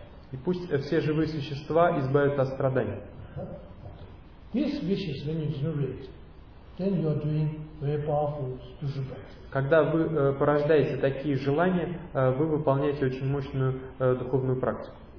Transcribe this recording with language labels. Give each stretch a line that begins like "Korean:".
Russian: И пусть все живые существа избавятся от страданий.
English: These wishes, when you generate, then you are doing very powerful spiritual practice.
Russian: Когда вы порождаете такие желания, вы выполняете очень мощную духовную практику.